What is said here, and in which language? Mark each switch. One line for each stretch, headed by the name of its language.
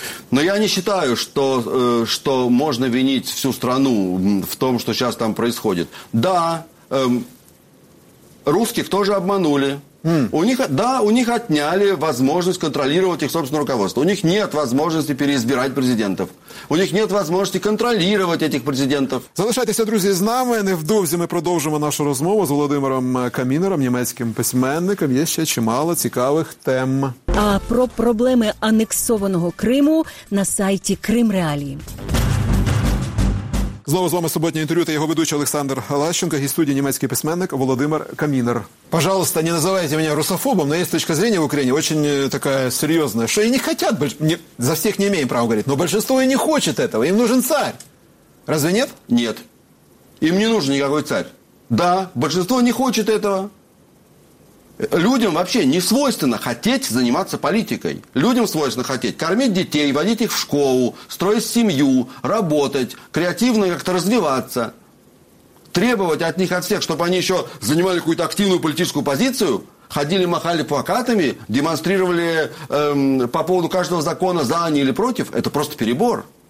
Russian: Но я не считаю, что можно винить всю страну в том, что сейчас там происходит. Да, русских тоже обманули. У них отняли возможность контролировать их собственное руководство. У них нет возможности переизбирать президентов. У них нет возможности контролировать этих президентов.
Ukrainian: Залишайтеся, друзі, з нами. Невдовзі ми продовжимо нашу розмову з Володимиром Камінером, німецьким письменником. Є ще чимало цікавих тем. А про проблеми анексованого Криму на сайті Крим Реалії. Знову з вами суботнє інтерв'ю та його ведучий Олександр Лащенко, гість-студії німецький письменник Володимир Камінер.
Russian: Пожалуйста,
Ukrainian: не називайте мене русофобом, но є
Russian: точка зрения
Ukrainian: в Україні
Russian: очень
Ukrainian: така серйозна, що і не хочуть, за всіх не маємо права говорити, но більшість і не хоче цього, їм нужен царь.
Russian: Разве нет? Нет.
Ukrainian: Їм не
Russian: нужен
Ukrainian: ніякий царь. Да, більшість не хоче цього.
Russian: Людям вообще не свойственно хотеть заниматься политикой. Людям свойственно хотеть кормить детей, водить их в школу, строить семью, работать, креативно как-то развиваться. Требовать от них, от всех, чтобы они еще занимали какую-то активную политическую позицию, ходили, махали плакатами, демонстрировали по поводу каждого закона за, они или против, это просто перебор.